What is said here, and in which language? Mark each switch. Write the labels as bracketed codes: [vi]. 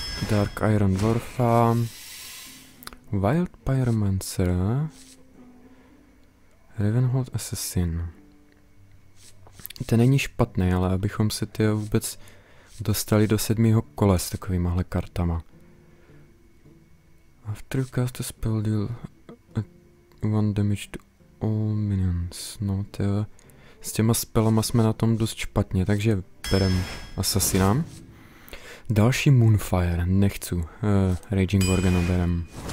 [cs] Dark Iron Dwarfa. Wild Pyromancer. Ravenhold Assassin. To není špatné, ale abychom se ty vůbec dostali do sedmého kola s takovýmahle kartama. [en] After you cast a spell deal one damage to all minions. [cs] No to je, s těma spellama jsme na tom dost špatně, takže berem Assassina. Další Moonfire, nechcu. Raging Gorgona berem.